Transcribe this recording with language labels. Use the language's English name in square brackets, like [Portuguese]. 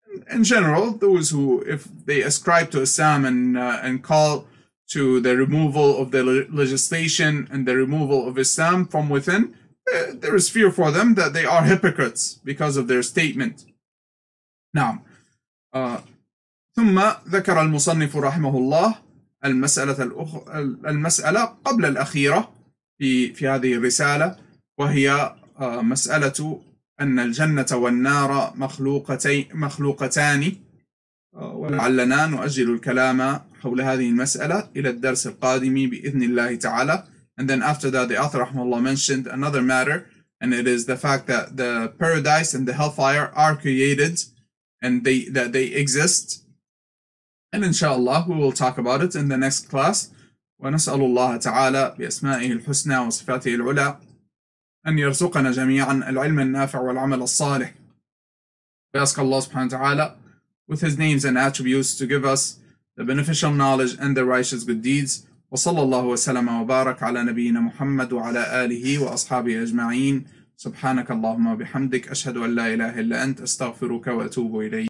[English] In general, those who, if they ascribe to Islam and call to the removal of the legislation and the removal of Islam from within, there is fear for them that they are hypocrites because of their statement. [Arabic] نعم. ثم ذكر المصنف رحمه الله المسألة قبل الأخيرة في هذه الرسالة, وهي مسألة أن الجنة والنار مخلوقتان. ولعلنا نؤجل الكلام حول هذه المسألة إلى الدرس القادم بإذن الله تعالى. [English] And then after that, the author [Arabic] رحمه الله [English] mentioned another matter, and it is the fact that the paradise and the hellfire are created and that they exist. And inshallah, we will talk about it in the next class. [Arabic] ونسأل الله تعالى بأسمائه الحسنى وصفاته العلى أن يرزقنا جميعا العلم النافع والعمل الصالح. [English] We ask Allah subhanahu wa ta'ala with his names and attributes to give us the beneficial knowledge and the righteous good deeds. [Arabic] وصلى الله وسلم وبارك على نبينا محمد وعلى آله وأصحابه أجمعين. سبحانك اللهم وبحمدك أشهد أن لا إله إلا أنت أستغفرك وأتوب إليك.